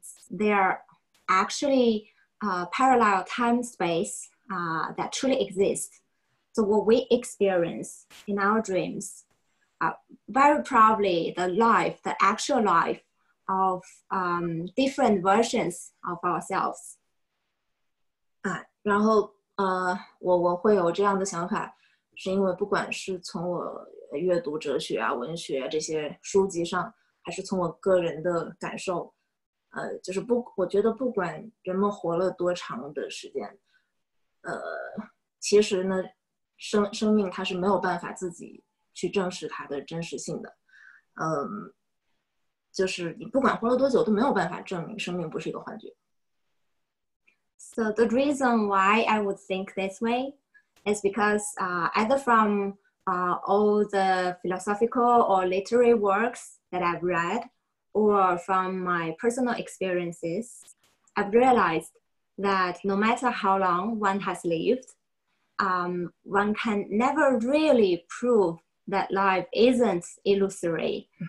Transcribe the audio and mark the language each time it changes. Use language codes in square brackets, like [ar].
[en] They are actually parallel time space that truly exists. So what we experience in our dreams are very probably the life, the actual life of different versions of ourselves. [zh] 然后我会有这样的想法，是因为不管是从我阅读哲学啊文学啊这些书籍上，还是从我个人的感受，就是不，我觉得不管人们活了多长的时间，其实呢生命它是没有办法自己去证实它的真实性的，就是你不管活了多久都没有办法证明生命不是一个幻觉。 [en] So the reason why I would think this way is because either fromall the philosophical or literary works that I've read, or from my personal experiences, I've realized that no matter how long one has lived, one can never really prove that life isn't illusory.